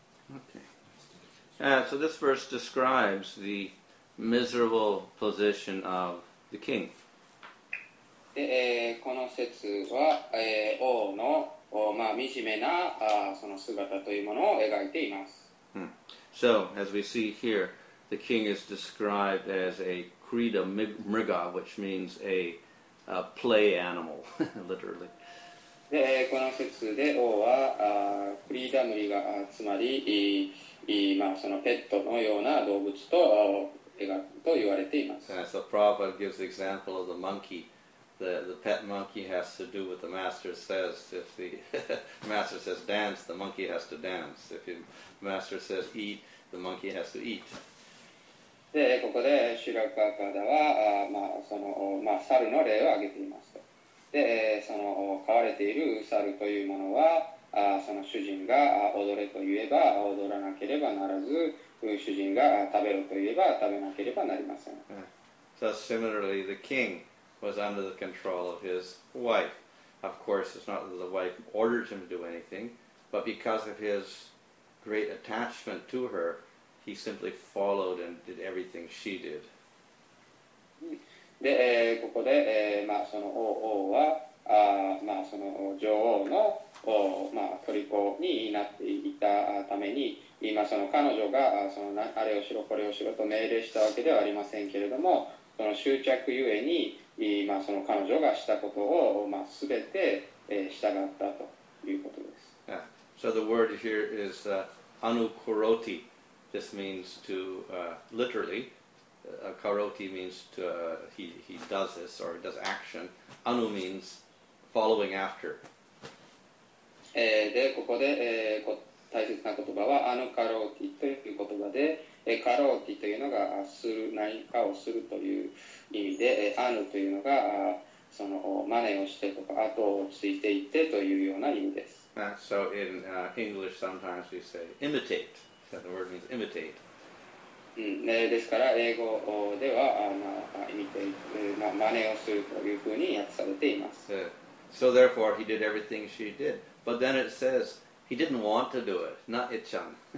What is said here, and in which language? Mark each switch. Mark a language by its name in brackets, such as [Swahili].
[English] OK。 So this verse describes the miserable position of the king. [Japanese] この説は、王の、まあ、惨めなその姿というものを描いています。 [English] So, as we see here, the king is described as a Krida Mrga, which means a play animal, literally. [Japanese] で、この説で王は、Krida Mrga、つまり、まあ、そのペットのような動物と描くと言われています。 [English] So, Prabhupada gives the example of the monkey. The pet monkey has to do what the master says. If the master says dance, the monkey has to dance. If the master says eat, the monkey has to eat. [Japanese] で、ここでシュラカーカーダは、まあ、その、まあ、猿の例を挙げていますと。で、その、飼われている猿というものは、その主人が踊れと言えば踊らなければならず、主人が食べろと言えば食べなければなりません。 [English] So similarly, the king. Was under the control of his wife. Of course, it's not that the wife ordered him to do anything, but because of his great attachment to her, he simply followed and did everything she did. [Japanese] で、ここで、まあ、その王は、まあ、その女王の、まあ、虜になっていたために、今その彼女がそのあれをしろこれをしろと命令したわけではありませんけれども、その執着ゆえに。まあ、その彼女がしたことを、まあ、全て、従ったということです。 [English] Yeah. So the word here is、anukuroti. This means to,、literally,、karoti means to,、he does this or does action. Anu means following after.、 [Japanese] で、ここで、大切な言葉は anukaroti という言葉で、カローティというのがする何かをするという意味で、アヌというのがその真似をしてとか後をついていってというような意味です。 [English] So in English sometimes we say imitate. So the word means imitate.、 [Japanese] ですから英語では、まあ、imitate、まあ、真似をするというふうに訳されています。 [English] So therefore he did everything she did. But then it says he didn't want to do it, not itchan.